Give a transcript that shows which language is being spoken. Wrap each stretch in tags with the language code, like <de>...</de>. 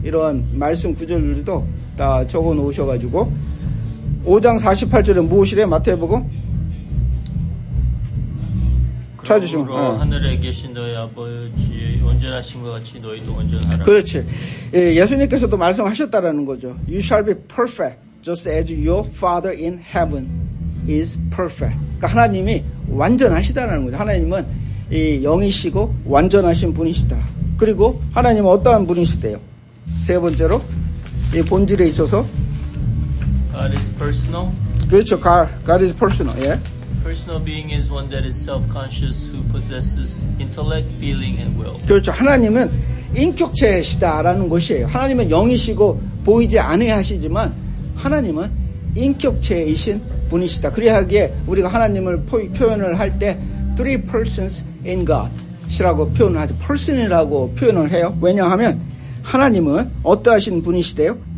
<ko>이런 말씀 구절들도 다 적어 놓으셔가지고. 5장 48절에 무엇이래요? 마태복음? 찾으시면. 하늘에 계신 너희 아버지 온전하신 것 같이 너희도 온전하라. 그렇지. 예, 예수님께서도 말씀하셨다라는 거죠.</ko> <en>You shall be perfect just as your Father in heaven is perfect.</en> <ko>그러니까 하나님이 완전하시다라는 거죠. 하나님은 이 영이시고 완전하신 분이시다. 그리고 하나님은 어떠한 분이시대요? 세 번째로 이 본질에 있어서</ko> <en>God is personal.</en> <ko>그렇죠.</ko> <en>God is personal. 예. Personal being is one that is self-conscious who possesses intellect, feeling, and will.</en> <ko>그렇죠. 하나님은 인격체시다라는 것이에요. 하나님은 영이시고 보이지 아니하시지만 하나님은 인격체이신 분이시다. 그래하기에 우리가 하나님을 표현을 할 때</ko> <en>three persons in God</en> <ko>이라고 표현을 하죠. Person이라고 표현을 해요. 왜냐하면 하나님은 어떠하신 분이시대요?</ko>